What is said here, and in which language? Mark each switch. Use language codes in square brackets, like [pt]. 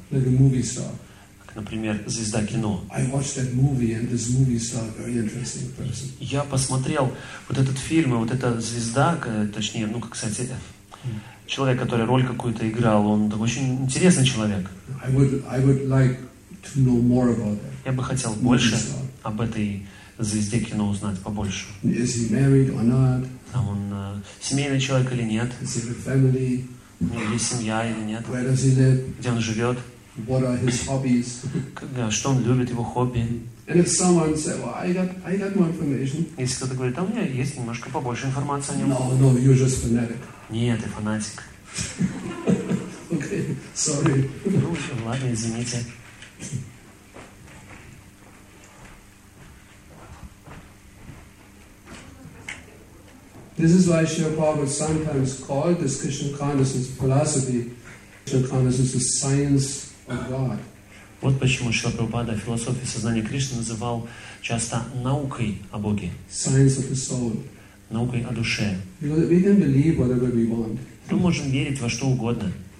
[en] Like a movie star. [ru] Как, например, звезда кино. [en] I watched that movie and this movie star, very interesting person. [ru] Я посмотрел вот этот фильм, и вот эта звезда, точнее, ну, кстати, человек, который роль какую-то играл, он очень интересный человек. [en] I would like to know more about that. [ru] Я бы хотел больше об этой звезде кино узнать побольше. [en] Is he married or not? [ru] Там он семейный человек или нет? [en] Is he a family? [ru] У него есть семья или нет? [en] Where does he live? [ru] Где он живет? [en] What are his hobbies? [ru] Что он любит, его хобби? [en] And if someone says, well, I got more information. [ru] Если кто-то говорит, а у меня есть немножко побольше информации о нем. [en] No, you're just fanatic. [ru] Нет, ты фанатик. [en] Okay, sorry. [ru] Ну, ладно, извините. [en] This is why Srila Prabhupada sometimes called this Krishna consciousness philosophy, Krishna consciousness, the science of God. [ru] Вот почему Шрила Прабхупада философию сознания Кришны называл часто наукой о Боге. [en] Science of the soul. [ru] Наукой о душе. [en] Because we can believe whatever we want. [ru] Мы можем верить во что угодно.